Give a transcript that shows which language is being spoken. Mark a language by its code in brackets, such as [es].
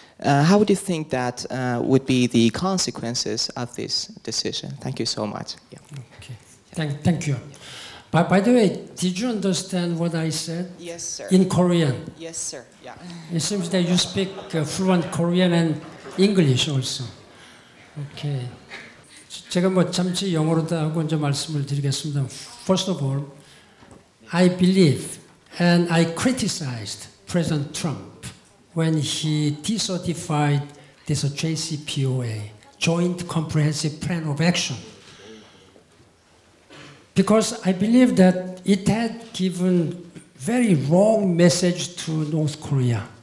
[en] How would you think that would be the consequences of this decision? Thank you so much. Yeah. Okay. Thank you. By the way, did you understand what I said? Yes, sir. In Korean? Yes, sir. Yeah. It seems that you speak fluent Korean and English also. Okay. [ko] 제가 뭐 잠시 영어로도 하고 이제 말씀을 드리겠습니다. [en] First of all, I believe and I criticized President Trump when he decertified this JCPOA, Joint Comprehensive Plan of Action. Because I believe that it had given very wrong message to North Korea.